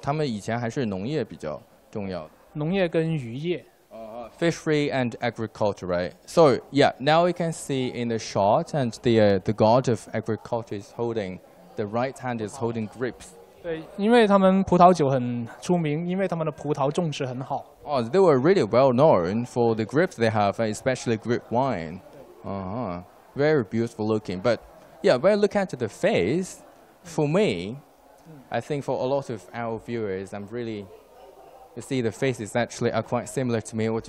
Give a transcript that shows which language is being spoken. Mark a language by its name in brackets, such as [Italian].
[Chinese] 他们以前还是农业比较重要。农业跟渔业。 [English] Fishery and agriculture, right? So yeah, now we can see in the shot, and the god of agriculture is holding, the right hand is holding grapes. [Chinese] 对，因为他们葡萄酒很出名，因为他们的葡萄种植很好。 [English] Oh, they were really well known for the grapes they have, especially grape wine. Uh-huh. Very beautiful looking. But yeah, when I look at the face, for me, I think for a lot of our viewers, I'm really, you see the faces actually are quite similar to me.